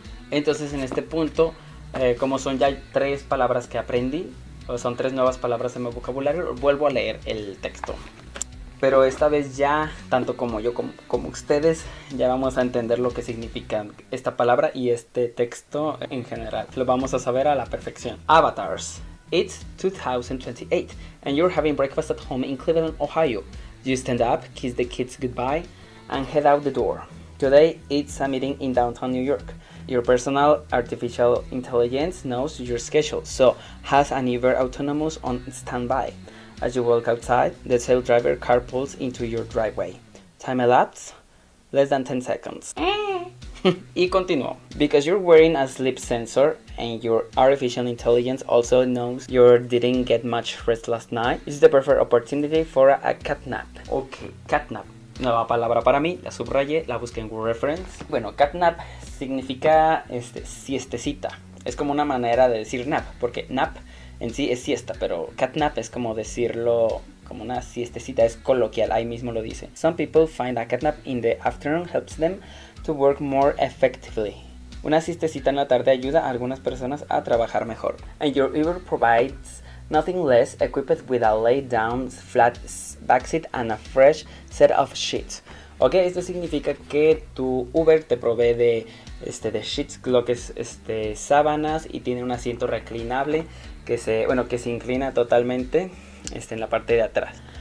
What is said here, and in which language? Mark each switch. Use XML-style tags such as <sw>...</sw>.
<es>Entonces, en este punto, como son ya tres palabras que aprendí, o son tres nuevas palabras en mi vocabulario, vuelvo a leer el texto. Pero esta vez ya, tanto como yo como ustedes, ya vamos a entender lo que significa esta palabra y este texto en general. Lo vamos a saber a la perfección. Avatars.</es> <en>It's 2028 and you're having breakfast at home in Cleveland, Ohio. You stand up, kiss the kids goodbye, and head out the door. Today, it's a meeting in downtown New York. Your personal artificial intelligence knows your schedule, so has an Uber autonomous on standby. As you walk outside, the self driver car pulls into your driveway. Time elapsed? Less than 10 seconds.</en> <es>Y continuó.</es> <en>Because you're wearing a sleep sensor and your artificial intelligence also knows you didn't get much rest last night, it's the perfect opportunity for a catnap. Ok, catnap.</en> <es>Nueva palabra para mí, la subrayé, la busqué en Word Reference. Bueno, catnap significa siestecita. Es como una manera de decir nap, porque nap en sí es siesta, pero catnap es como decirlo como una siestecita, es coloquial, ahí mismo lo dice.</es> <en>Some people find a catnap in the afternoon helps them to work more effectively.</en> <es>Una siestecita en la tarde ayuda a algunas personas a trabajar mejor.</es> <en>And your Uber provides nothing less, equipped with a laid down flat backseat and a fresh set of sheets.</en> <es>Ok, esto significa que tu Uber te provee de sheets, lo que es sábanas, y tiene un asiento reclinable que se inclina totalmente en la parte de atrás.</es>